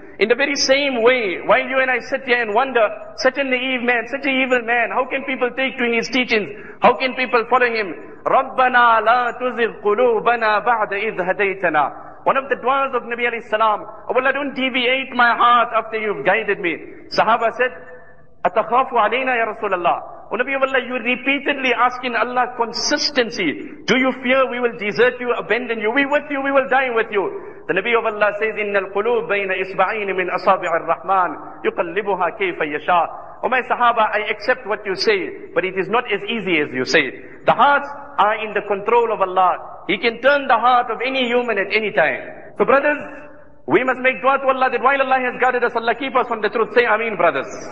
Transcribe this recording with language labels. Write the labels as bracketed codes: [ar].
[en] In the very same way, while you and I sit here and wonder, such a naive man, such an evil man, how can people take to his teachings? How can people follow him? [ar] رَبَّنَا لَا تُزِغْ قُلُوبَنَا بَعْدَ إِذْ هَدَيْتَنَا. [en] One of the du'as of Nabi alayhi salam, oh Allah, don't deviate my heart after you've guided me. Sahaba said, [ar] أَتَخَافُ عَلَيْنَا يَا رَسُولَ اللَّهِ. [en] Oh Nabi of Allah, you repeatedly asking Allah consistency. Do you fear we will desert you, abandon you? We with you, we will die with you. The Nabi of Allah says, [ar] إِنَّ الْقُلُوبَ بَيْنَ إِسْبَعِينِ مِنْ أَصَابِعِ الرَّحْمَانِ يُقَلِّبُهَا كَيْفَ يَشَاء. [en] Oh my Sahaba, I accept what you say, but it is not as easy as you say. The hearts are in the control of Allah. He can turn the heart of any human at any time. So brothers, we must make dua to Allah that while Allah has guarded us, Allah keep us on the truth. Say Ameen, brothers.